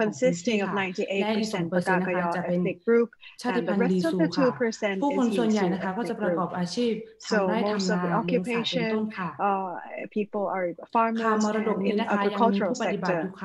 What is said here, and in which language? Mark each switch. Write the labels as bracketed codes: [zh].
[en] consisting of 98% Pgakenyaw ethnic group [th] ชาติพันธุ์ลิซูค่ะผู้คนส่วนใหญ่นะคะก็จะประกอบอาชีพทำไร่ทำนาในสัตว์เป็นต้นค่ะ [en] People are farmers in the agricultural sector.